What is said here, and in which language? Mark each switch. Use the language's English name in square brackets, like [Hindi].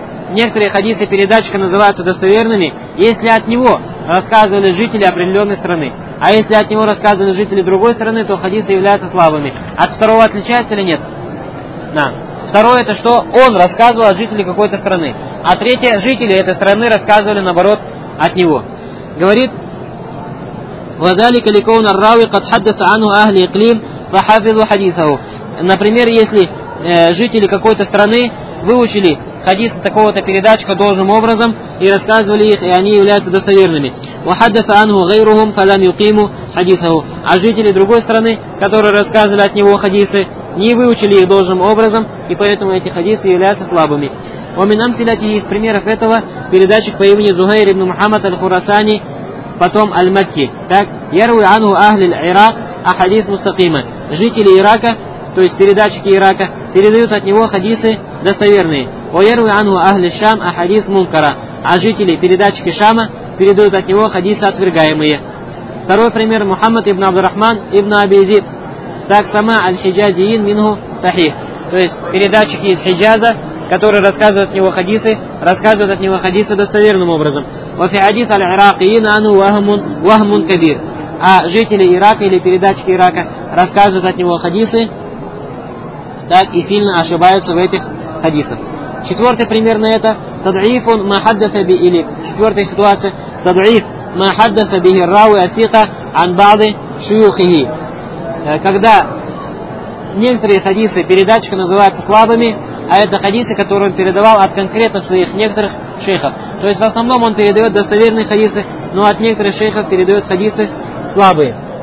[Russian] Некоторые хадисы передатчика называются достоверными, если от него рассказывали жители определенной страны. А если от него рассказывали жители другой страны, то хадисы являются слабыми. От второго отличается или нет? Да. Второе, это что он рассказывал о жителе какой-то страны. А третье, жители этой страны рассказывали наоборот от него. [Arabic] Говорит, وَذَلِكَ لِكَوْنَ الرَّاوِ قَدْ حَدَّثَ عَنُهُ أَهْلِ إِقْلِيمٍ فَحَفِظُوا حَدِيثَهُ. [Russian] Например, если жители какой-то страны выучили хадисы такого-то передатчика должным образом и рассказывали их, и они являются достоверными. [Arabic] وَحَدَّثَ عَنُهُ غَيْرُهُمْ فَلَمْ يُقِيمُوا حَدِيثَهُ. [Russian] А жители другой страны, которые рассказывали от него хадисы, не выучили их должным образом, и поэтому эти хадисы являются слабыми. [Arabic] ومن أمثلته [Russian] из примеров этого передатчик по имени Зухейр ибн Мухаммад аль-Хурасани, потом аль-Макки. [Arabic] Так, يروي عنه أهل العراق أحاديث مستقيمة. [Russian] Жители Ирака, то есть передатчики Ирака, передают от него хадисы достоверные. [Arabic] ويروي عنه أهل الشام أحاديث منكرة. [Russian] А жители передатчики Шама передают от него хадисы отвергаемые. Второй пример, Мухаммад ибн Абдурахман ибн Абизид. [Arabic] Так сама аль-Хиджазиин минху сахих. [Russian] То есть передатчики из Хиджаза, которые рассказывают от него хадисы, рассказывают от него хадисы достоверным образом. [Arabic] وفي حديث العراقيين عنه وهم كبير. [Russian] А жители Ирака или передатчики Ирака рассказывают от него хадисы, так и сильно ошибаются в этих хадисах. Четвертый пример на это [Arabic] تضعيف ما حدث به [Russian] или четвертая ситуация [Arabic] تضعيف ما حدث به الراوي الثقة عن بعض شيوخه. [Russian] Когда некоторые хадисы передатчика называются слабыми, а это хадисы, которые он передавал от конкретно своих некоторых шейхов. То есть в основном он передает достоверные хадисы, но от некоторых шейхов передает хадисы слабые.